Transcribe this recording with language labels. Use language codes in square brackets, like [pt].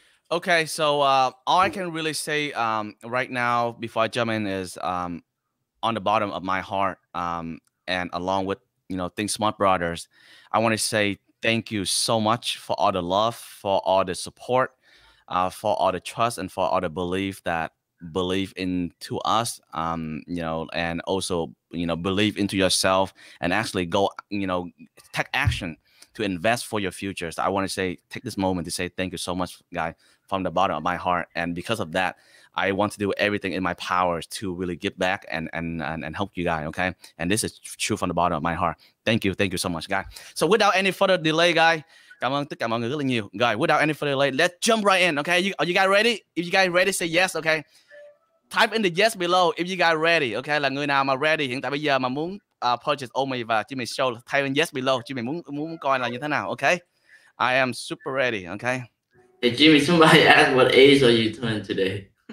[en] Okay, so all I can really say right now before I jump in is on the bottom of my heart and along with, you know, Think Smart Brothers, I want to say thank you so much for all the love, for all the support, for all the trust, and for all the belief that believe into us, you know, and also, you know, believe into yourself and actually go, you know, take action to invest for your future. So I want to take this moment to say thank you so much, guy, from the bottom of my heart. And because of that, I want to do everything in my power to really give back and help you guys, okay? And this is true from the bottom of my heart. Thank you so much, guys. So without any further delay, guys, [vi] cảm ơn tất cả mọi người rất là nhiều. [en] Guys, without any further delay, let's jump right in, okay? Are you guys ready? If you guys ready, say yes, okay? Type in the yes below if you guys ready, okay? [vi] Là người nào mà ready hiện tại bây giờ mà muốn purchase Omi và chị mình show, [en] type in yes below, [vi] chị mình muốn coin là như thế nào, okay? [en] I am super ready, okay? Hey Jimmy, somebody asked what age are you turning today?